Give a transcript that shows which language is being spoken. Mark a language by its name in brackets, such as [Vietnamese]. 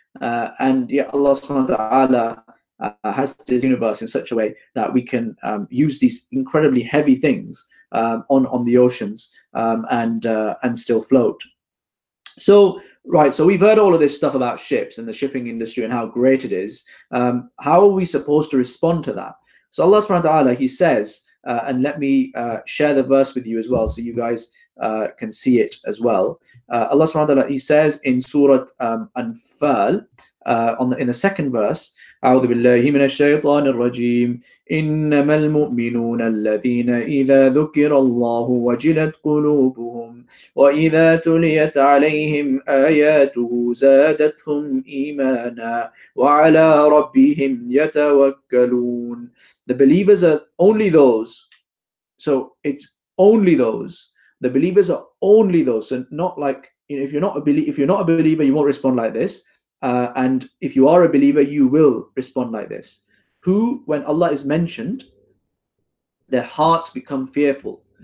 [English] And yeah, Allah subhanahu wa ta'ala has this universe in such a way that we can use these incredibly heavy things on the oceans and still float. So we've heard all of this stuff about ships and the shipping industry and how great it is. How are we supposed to respond to that? So Allah subhanahu wa ta'ala, he says, and let me share the verse with you as well, so you guys can see it as well. Allah subhanahu wa ta'ala, he says in Surah Anfal, in the second verse, [Arabic] أعوذ بالله من الشيطان الرجيم إنما المؤمنون الذين إذا ذكر الله وجلت قلوبهم وإذا تليت عليهم آياته زادتهم إيمانا وعلى ربهم يتوكلون. [English] The believers are only those. So it's only those. The believers are only those. So not like, you know, if you're not a believer, you won't respond like this. And if you are a believer, you will respond like this. Who, when Allah is mentioned, their hearts become fearful.